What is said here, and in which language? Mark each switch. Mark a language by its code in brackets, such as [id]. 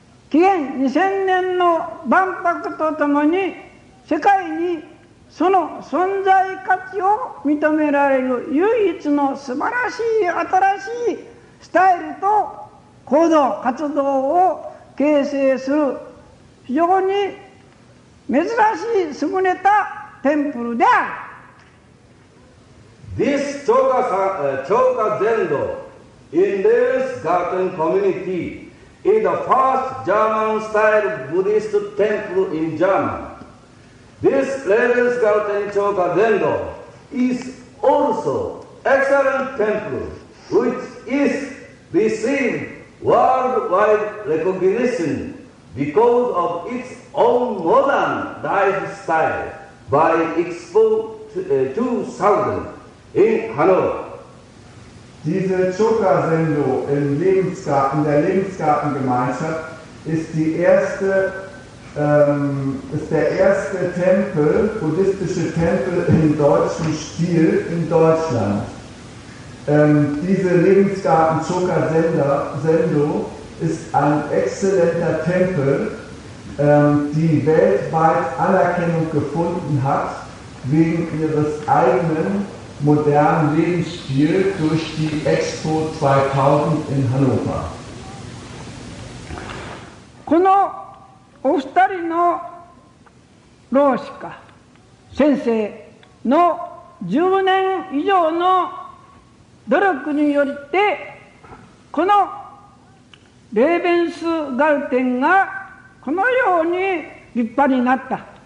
[ja] 紀元2000年の万博とともに世界にその存在価値を認められる唯一の素晴らしい新しいスタイルと行動活動を形成する非常に珍しい優れたテンプルである。 [en] This Choka-Zendo in Lebensgarten community is the first German-style Buddhist temple in German. This Lebensgarten Choka-Zendo is also excellent temple which is received worldwide recognition because of its own modern Daiji style by Expo 2000. In Hannover. [de] Diese Choka-Zendo in der Lebensgartengemeinschaft ist der erste Tempel, buddhistische Tempel im deutschen Stil in Deutschland. Diese Lebensgarten Choka-Zendo ist ein exzellenter Tempel, die weltweit Anerkennung gefunden hat wegen ihres eigenen modernen Lebensstil durch die Expo 2000 in Hannover. [ja] このお二人の老師か先生の10年以上の努力によってこのレーベンスガルテンがこのように立派になった。